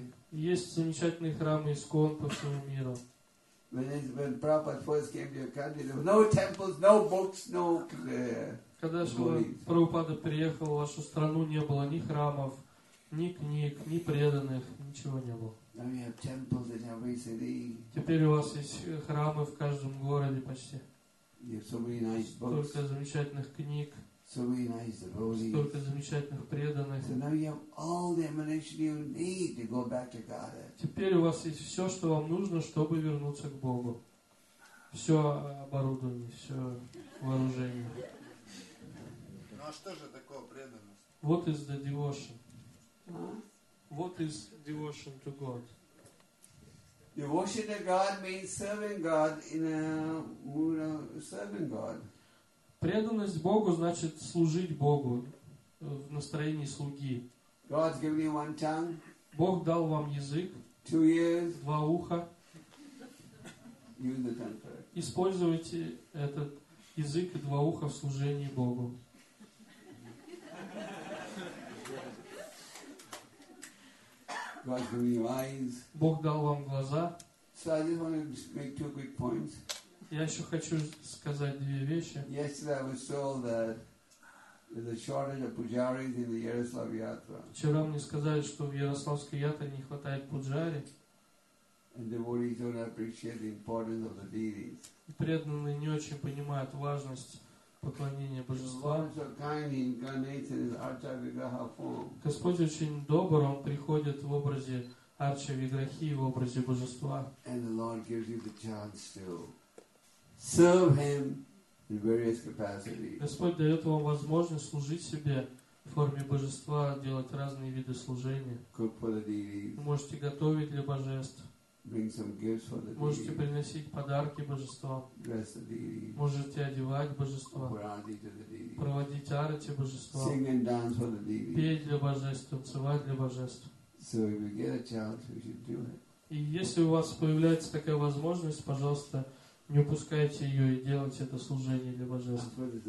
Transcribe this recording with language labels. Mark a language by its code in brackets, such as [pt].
[ru] Есть замечательные храмы ИСККОН по всему миру. [en] When Prabhupada first came to your country, there were no temples, no books, no [ru] Когда Прабхупада приехал в вашу страну, не было ни храмов, ни книг, ни преданных, ничего не было. [en] Now you have temples in every city. [ru] Теперь у вас есть храмы в каждом городе почти. [en] You have so many nice books. [ru] Столько замечательных книг. [en] So many nice devotees. [ru] Столько замечательных преданных. [en] So now you have all the ammunition you need to go back to Godhead. [ru] Теперь у вас есть все, что вам нужно, чтобы вернуться к Богу. Все оборудование, все вооружение. Ну а что же такое преданность? [en] What is the devotion? What is devotion to God? Devotion to God means serving God in a mood of serving God. [ru] Преданность Богу значит служить Богу в настроении слуги. [en] God's given you one tongue. [ru] Бог дал вам язык. [en] Two ears. [ru] Два уха. [en] Use the tongue first. [ru] Используйте этот язык и два уха в служении Богу. [en] God's given you eyes. [ru] Бог дал вам глаза. [en] So I just want to make two quick points. [ru] Я еще хочу сказать две вещи. [en] Yesterday I was told that there's a shortage of pujaris in the Yaroslav Yatra. [ru] Вчера мне сказали, что в Ярославской Ятре не хватает пуджари. [en] And devotees don't appreciate the importance of the deities. [ru] Преданные не очень понимают важность поклонения божества. [en] The Lord is so kind, he incarnates in his Archa-Vigraha form. [ru] Господь очень добр, он приходит в образе Арча-Виграхи, в образе божества. [en] And the Lord gives you the chance to serve him in various capacities. [ru] Господь дает вам возможность служить себе в форме божества, делать разные виды служения. [en] Cook for the deities. [ru] Вы можете готовить для божеств. [en] Bring some gifts for the [ru] можете [en] deities. [ru] Приносить подарки божества. [en] Dress the deities. [ru] Можете одевать божества. [en] Arati to the deities. [ru] Проводить арати божества. [en] Sing and dance for the deities. [ru] Петь для божеств, танцевать для божеств. [en] So if you get a chance, you should do it. [ru] И если у вас появляется такая возможность, пожалуйста, не упускайте ее и делайте это служение для божества.